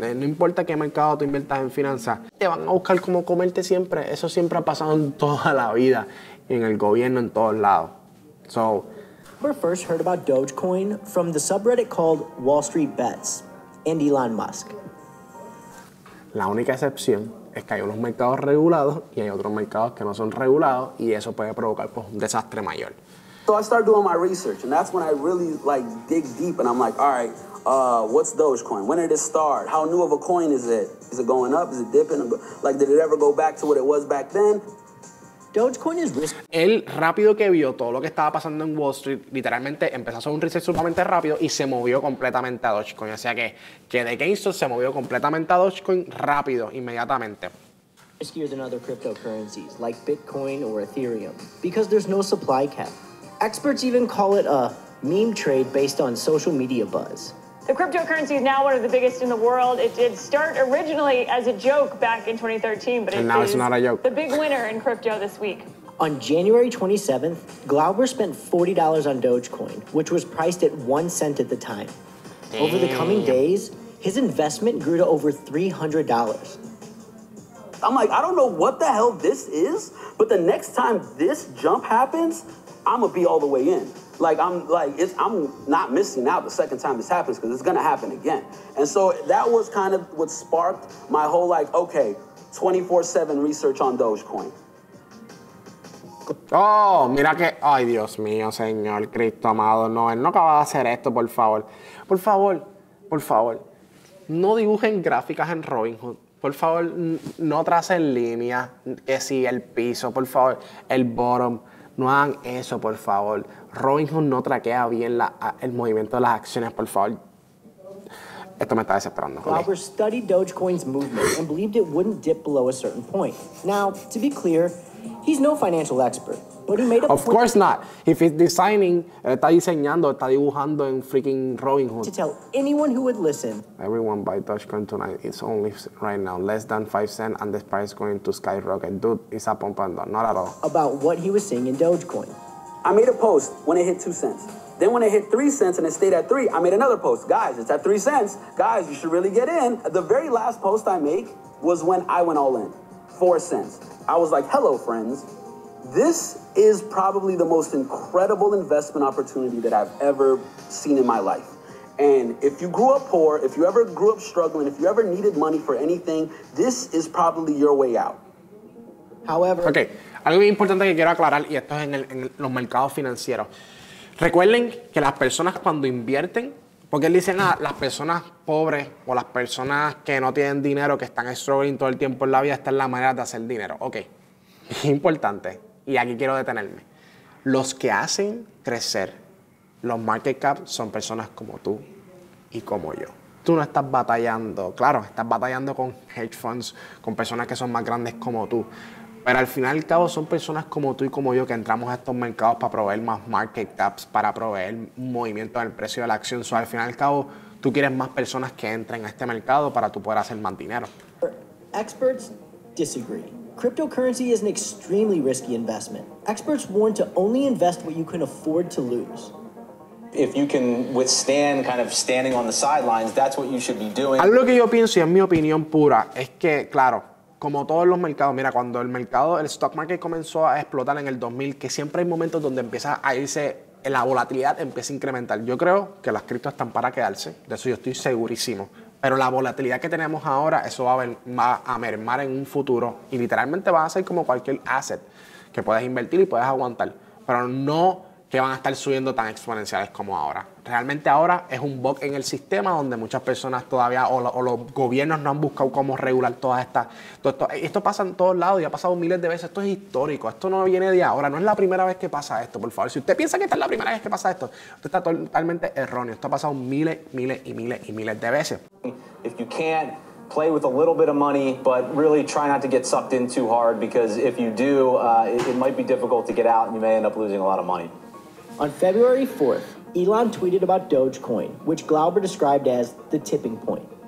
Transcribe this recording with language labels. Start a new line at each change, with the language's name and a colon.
Spanish: No importa qué mercado tú inviertas en finanzas, te van a buscar como comerte siempre. Eso siempre ha pasado en toda la vida, en el gobierno, en todos lados.
English: So, Glauber first heard about Dogecoin from the subreddit called Wall Street Bets and Elon Musk.
Spanish: La única excepción es que hay unos mercados regulados y hay otros mercados que no son regulados y eso puede provocar, pues, un desastre mayor.
English: So I start doing my research and that's when I really like dig deep and I'm like, all right, what's Dogecoin? When did it start? How new of a coin is it? Is it going up? Is it dipping? Like, did it ever go back to what it was back then? Dogecoin is risk.
Spanish: Él rápido que vio todo lo que estaba pasando en Wall Street, literalmente empezó a hacer un research sumamente rápido y se movió completamente a Dogecoin. O sea que de GameStop se movió completamente a Dogecoin rápido, inmediatamente.
English: Riskier than other cryptocurrencies like Bitcoin or Ethereum because there's no supply cap. Experts even call it a meme trade based on social media buzz. The cryptocurrency is now one of the biggest in the world. It did start originally as a joke back in 2013, but and now it's not a joke. The big winner in crypto this week. On January 27th, Glauber spent $40 on Dogecoin, which was priced at 1 cent at the time. Damn. Over the coming days, his investment grew to over $300. I'm like, I don't know what the hell this is, but the next time this jump happens, I'm gonna be all the way in. Like, I'm not missing out the second time this happens because it's gonna happen again. And so that was kind of what sparked my whole, like, okay, 24/7 research on Dogecoin.
Spanish: Oh, mira que, ay, Dios mío, Señor Cristo amado, no, él no acaba de hacer esto, por favor. Por favor, por favor, no dibujen gráficas en Robinhood. Por favor, no tracen líneas, que sí, el piso, por favor, el bottom. No hagan eso, por favor. Robinhood no traquea bien el movimiento de las acciones, por favor. Esto me está desesperando.
English: Glauber studied Dogecoin's movement and believed it wouldn't dip below a certain point. Now, to be clear, he's no financial expert, but he made a point. Of course not.
Spanish: If he's designing, está diseñando, está dibujando en freaking Robinhood.
English: To tell anyone who would listen. Everyone buy Dogecoin tonight. It's only right now less than 5 cents, and the price going to skyrocket. Dude, it's a pump and dump. Not at all. About what he was seeing in Dogecoin. I made a post when it hit 2 cents. Then when it hit 3 cents and it stayed at three, I made another post. Guys, it's at 3 cents. Guys, you should really get in. The very last post I make was when I went all in. 4 cents. I was like, hello, friends. This is probably the most incredible investment opportunity that I've ever seen in my life. And if you grew up poor, if you ever grew up struggling, if you ever needed money for anything, this is probably your way out. However, okay,
Spanish: Algo muy importante que quiero aclarar, y esto es en los mercados financieros. Recuerden que las personas cuando invierten, porque él dice nada, las personas pobres o las personas que no tienen dinero, que están struggling todo el tiempo en la vida, esta es la manera de hacer dinero. Ok, importante, y aquí quiero detenerme. Los que hacen crecer los market caps son personas como tú y como yo. Tú no estás batallando, claro, estás batallando con hedge funds, con personas que son más grandes como tú. Pero al final y al cabo son personas como tú y como yo que entramos a estos mercados para proveer más market caps, para proveer movimiento del precio de la acción. So, al final y al cabo, tú quieres más personas que entren a este mercado para tú poder hacer más dinero.
English: Experts disagree. Cryptocurrency is an extremely risky investment. Experts warn to only invest what you can afford to lose. If you can withstand kind of standing on the sidelines, that's what you should be doing.
Spanish: Algo que yo pienso, y es mi opinión pura, es que, claro, como todos los mercados, mira, cuando el mercado, el stock market comenzó a explotar en el 2000, que siempre hay momentos donde empieza a irse, la volatilidad empieza a incrementar. Yo creo que las criptos están para quedarse, de eso yo estoy segurísimo. Pero la volatilidad que tenemos ahora, eso va a mermar en un futuro y literalmente va a ser como cualquier asset que puedes invertir y puedes aguantar. Pero no que van a estar subiendo tan exponenciales como ahora. Realmente ahora es un bug en el sistema donde muchas personas todavía o los gobiernos no han buscado cómo regular todas estas. Esto pasa en todos lados y ha pasado miles de veces. Esto es histórico. Esto no viene de ahora. No es la primera vez que pasa esto, por favor. Si usted piensa que esta es la primera vez que pasa esto, usted está totalmente erróneo. Esto ha pasado miles de veces.
English: If you can't play with a little bit of money, but really try not to get sucked in too hard, because if you do, it might be difficult to get out and you may end up losing a lot of money. On February 4th, Elon tweeted about Dogecoin, which Glauber described as the tipping point.